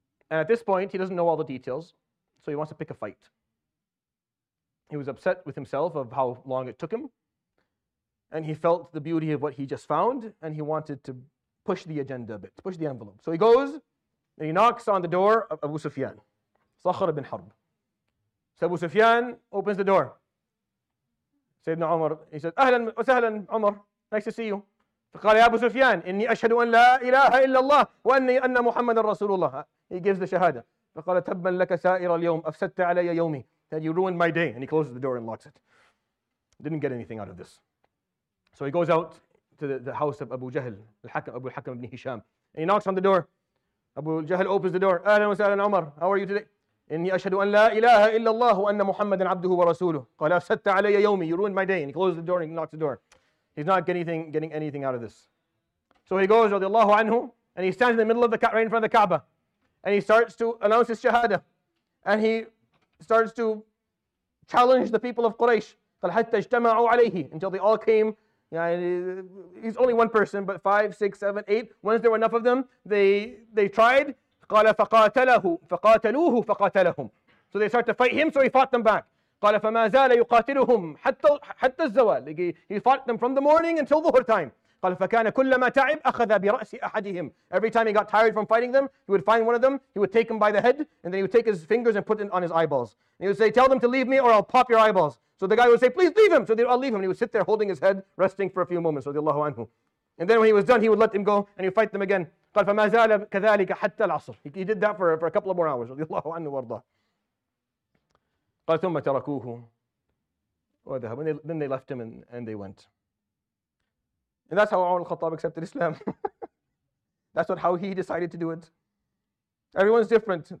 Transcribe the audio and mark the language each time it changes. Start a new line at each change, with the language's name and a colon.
English: And at this point, he doesn't know all the details, so he wants to pick a fight. He was upset with himself of how long it took him, and he felt the beauty of what he just found, and he wanted to push the agenda a bit, push the envelope. So he goes, and he knocks on the door of Abu Sufyan, Sakhr ibn Harb. So Abu Sufyan opens the door. Sayyidina Umar, he says,
Arabic: Ahlan wa sahlan,
English: Umar, nice to see you.
Arabic: فقال يا أبو سفيان إني أشهد أن لا إله إلا الله وأني أن محمد رسول الله.
English: He gives the shahada.
Arabic: فقال تبا لك سائر اليوم أفسدت علي يومي.
English: That you ruined my day. And he closes the door and locks it. Didn't get anything out of this. So he goes out to the house of Abu Jahl, Abu Hakam ibn Hisham. And he knocks on the door. Abu Jahl opens the door.
Arabic: أهلا وسهلا عمر.
English: How are you today?
Arabic: إني أشهد أن لا إله إلا الله وأن محمدا عبده ورسوله. قال أفسدت علي يومي.
English: You ruined my day. And he closes the door and he knocks the door. He's not getting anything out of this. So he goes
Arabic: رضي الله عنه
English: and he stands in the middle of the Kaaba, right in front of the Kaaba, and he starts to announce his shahada, and he starts to challenge the people of Quraysh.
Arabic: قال حتى اجتمعوا عليه,
English: until they all came. Yeah, he's only one person, but 5, 6, 7, 8. Once there were enough of them, they tried.
Arabic: قال فقاتله فقاتلوه فقاتلهم.
English: So they start to fight him, so he fought them back.
Arabic: قال فما زال يقاتلهم حتى الزوال.
English: Like he fought them from the morning until the dhuhr time.
Arabic: قال فكان كلما تعب أخذ برأس أحدهم.
English: Every time he got tired from fighting them, he would find one of them, he would take him by the head, and then he would take his fingers and put it on his eyeballs. And he would say, tell them to leave me or I'll pop your eyeballs. So the guy would say, please leave him. So they would all leave him. And he would sit there holding his head, resting for a few moments, radiallahu anhu. And then when he was done, he would let them go and he would fight them again.
Arabic: قال فما زال كذلك حتى العصر.
English: He did that for a couple of more hours, radiallahu anhu warda.
Arabic: قال ثم تركوه وذهب.
English: Then they left him and they went. And that's how Umar al-Khattab accepted Islam. That's not how he decided to do it. Everyone's different.